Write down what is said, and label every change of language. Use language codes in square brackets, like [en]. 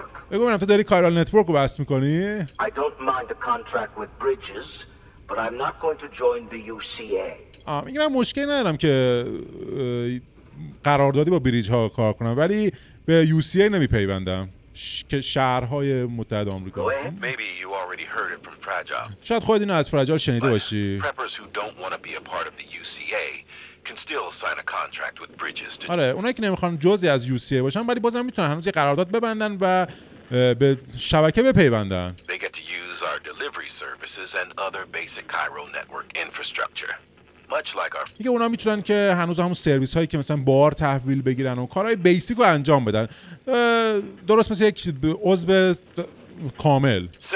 [fa] بگو منم تو داری کایرال نتورک رو بس میکنی؟ [en] I don't mind the contract with Bridges, but I'm not going to join the UCA. [fa] میگه من مشکلی ندارم که قراردادی با بریج ها کار کنم ولی به UCA نمی پیوندم. شهرهای متحد آمریکا هستیم. [en] Maybe you already heard it from Fragile. [fa] شاید خود اینو از فرجال شنیده باشی. [en] Preppers who don't want to be a part of the UCA can still sign a contract with Bridges. [fa] آره، اونایی که نمیخوان جزی از UCA باشن ولی بازم میتونن هنوز یه قرارداد ببندن و به شبکه بپیوندن. [en] They get to use our delivery services and other basic Cairo network infrastructure. [fa] دیگه اونا میتونن که هنوز همون سرویس هایی که مثلا بار تحویل بگیرن و کارهای بیسیک رو انجام بدن، درست مثل یک عضو کامل.